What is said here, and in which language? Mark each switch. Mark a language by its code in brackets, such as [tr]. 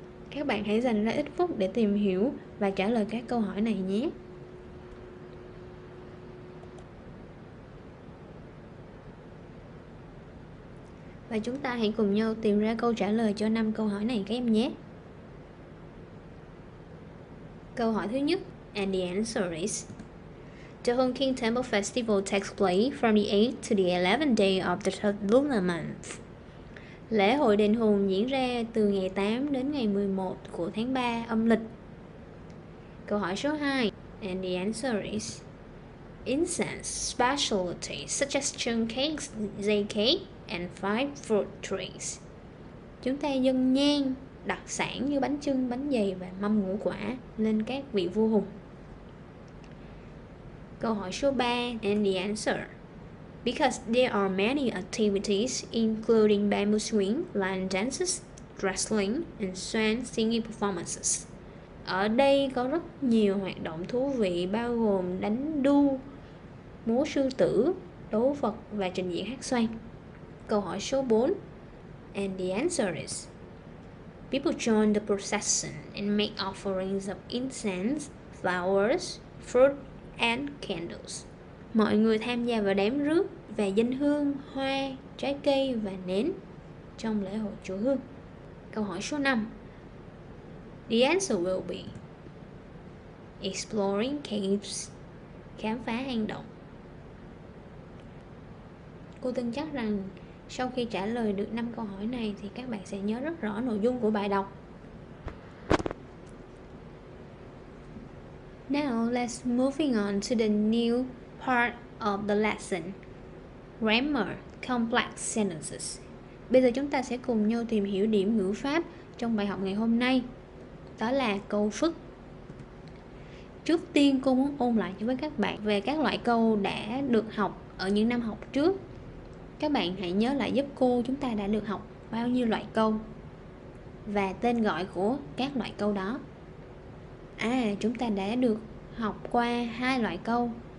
[vi] Các bạn hãy dành ra ít phút để tìm hiểu và trả lời các câu hỏi này nhé. Và chúng ta hãy cùng nhau tìm ra câu trả lời cho 5 câu hỏi này các em nhé. Câu hỏi thứ nhất, [en] and the answer is: the Hung King Temple Festival takes place from the 8th to the 11th day of the third lunar month. [vi] Lễ hội Đền Hùng diễn ra từ ngày 8 đến ngày 11 của tháng 3 âm lịch. Câu hỏi số 2, [en] and the answer is: incense specialties such as chun cakes, zay cake, and five fruit trees. [vi] Chúng ta dâng nhang đặc sản như bánh chưng, bánh dày và mâm ngũ quả lên các vị vua Hùng. Câu hỏi số 3, [en] and the answer: because there are many activities, including bamboo swing, lion dances, wrestling, and swan singing performances. [vi] Ở đây có rất nhiều hoạt động thú vị bao gồm đánh đu, múa sư tử, đố vật và trình diễn hát xoan. Câu hỏi số 4, [en] and the answer is: people join the procession and make offerings of incense, flowers, fruit, and candles. [vi] Mọi người tham gia vào đám rước và dâng hương, hoa, trái cây và nến trong lễ hội Chùa Hương. Câu hỏi số 5, [en] the answer will be: exploring caves, [vi] khám phá hang động. Cô tin chắc rằng sau khi trả lời được 5 câu hỏi này thì các bạn sẽ nhớ rất rõ nội dung của bài đọc. [en] Now let's moving on to the new part of the lesson, grammar, complex sentences. [vi] Bây giờ chúng ta sẽ cùng nhau tìm hiểu điểm ngữ pháp trong bài học ngày hôm nay, đó là câu phức. Trước tiên cô muốn ôn lại với các bạn về các loại câu đã được học ở những năm học trước. Các bạn hãy nhớ lại giúp cô chúng ta đã được học bao nhiêu loại câu và tên gọi của các loại câu đó. À, chúng ta đã được học qua hai loại câu,